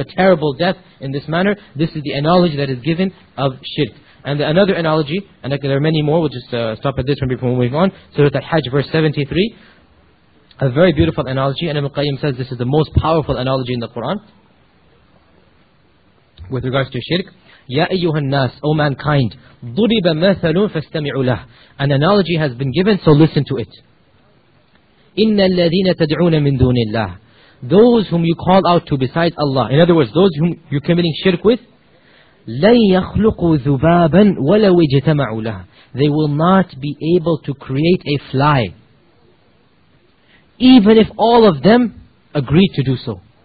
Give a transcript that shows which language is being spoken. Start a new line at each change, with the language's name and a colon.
English: A terrible death in this manner. This is the analogy that is given of shirk. And another analogy, and there are many more, we'll just stop at this one before moving on. Surah Al-Hajj, verse 73. A very beautiful analogy, and Ibn Qayyim says this is the most powerful analogy in the Quran with regards to shirk.
Arabic: يَا أَيُّهَا النَّاسِ,
English: O mankind,
Arabic: ضُرِبَ مَثَلٌ فَاسْتَمِعُوا لَهُ.
English: An analogy has been given, so listen to it.
Arabic: إِنَّ الَّذِينَ تَدْعُونَ مِن دُونِ اللَّهِ.
English: Those whom you call out to besides Allah. In other words, those whom you're committing shirk with,
Arabic: لَنْ يَخْلُقُوا ذُبَابًا وَلَوْ اجْتَمَعُوا لَهُ.
English: They will not be able to create a fly, even if all of them agreed to do so.